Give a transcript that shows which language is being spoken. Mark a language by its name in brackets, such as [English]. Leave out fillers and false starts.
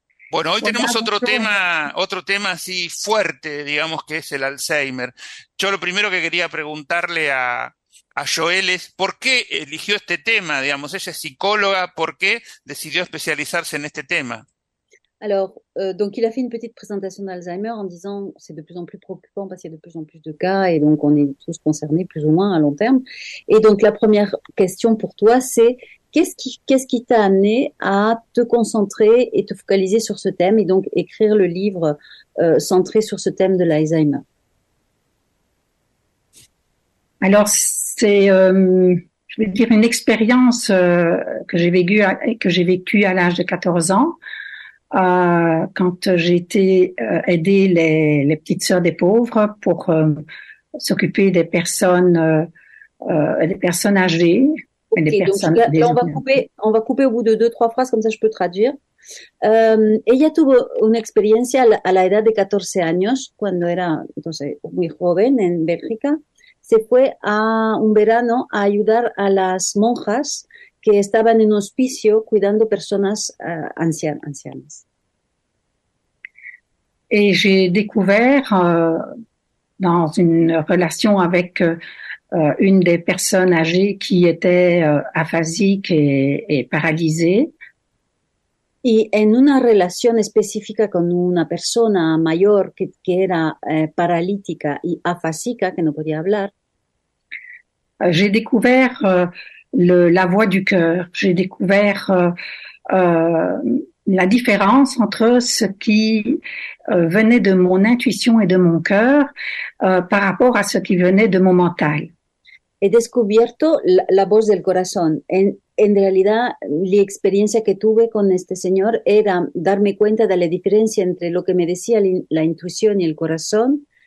[Spanish] Bueno, hoy tenemos otro tema así fuerte, digamos, que es el Alzheimer. Yo lo primero que quería preguntarle a Joel es, ¿por qué eligió este tema? Digamos, ella es psicóloga, ¿por qué decidió especializarse en este tema? [French] Alors, donc il a fait une petite présentation d'Alzheimer en disant c'est de plus en plus préoccupant parce qu'il y a de plus en plus de cas et donc on est tous concernés plus ou moins à long terme. Et donc la première question pour toi c'est qu'est-ce qui t'a amené à te concentrer et te focaliser sur ce thème et donc écrire le livre centré sur ce thème de l'Alzheimer. Alors c'est je vais dire une expérience que j'ai vécue à l'âge de 14 ans. Quand j'ai été aider les petites sœurs des pauvres pour s'occuper des personnes âgées. Okay, des personnes donc, là, on va couper au bout de 2-3 phrases, comme ça je peux traduire. [Spanish] Ella tuvo una experiencia a la edad de 14 años, cuando era entonces muy joven en Bélgica. Se fue a un verano a ayudar a las monjas que estaban en hospicio cuidando personas ancianas. [French] Et j'ai découvert dans une relation avec une des personnes âgées qui était aphasique et paralysée. [Spanish] Y en una relación específica con una persona mayor que era paralítica y afásica, que no podía hablar. [French] J'ai découvert la voix du cœur. J'ai découvert la différence entre ce qui venait de mon intuition et de mon cœur par rapport à ce qui venait de mon mental. [Spanish] He descubierto la voz del corazón. En realidad, la experiencia que tuve con este señor era darme cuenta de la diferencia entre lo que me decía la intuición y el corazón,